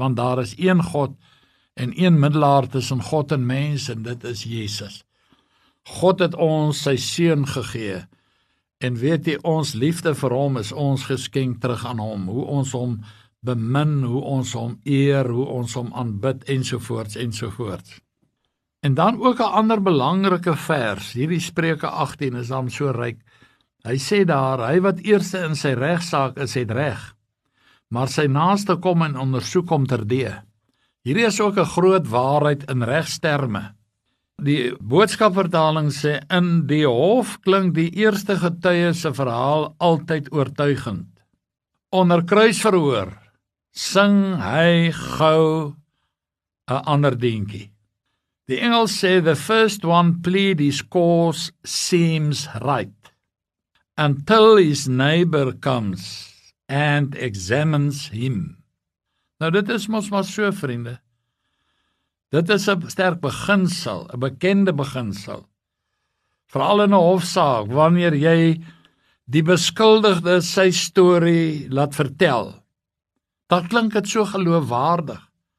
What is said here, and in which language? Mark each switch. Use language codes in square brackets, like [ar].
[af] Want daar is een God en een middelaar tussen God en mens en dit is Jesus. God het ons sy seun gegee en weet jy, ons liefde vir hom is ons geskenk terug aan hom. Hoe ons hom bemin, hoe ons hom eer, hoe ons hom aanbid ensovoorts ensovoorts. En dan ook 'n ander belangrike vers, hierdie Spreuke 18 is dan so ryk. Hy sê daar, hy wat eerste in sy regsaak is, het reg, maar sy naaste kom en ondersoek hom terdee. Hierdie is ook 'n groot waarheid in regsterme. Die boodskapvertaling sê, in die hof klink die eerste getuie se verhaal altyd oortuigend. Onder kruisverhoor, sing hy gou 'n ander deentjie. Die engel sê, [en] the first one plead his cause seems right, until his neighbor comes and examines him. [af] Nou dit is mos maar so, vriende. Dit is 'n sterk beginsel, 'n bekende beginsel. Vooral in 'n hofsaak, wanneer jy die beskuldigde sy story laat vertel. Dan klink het so geloofwaardig.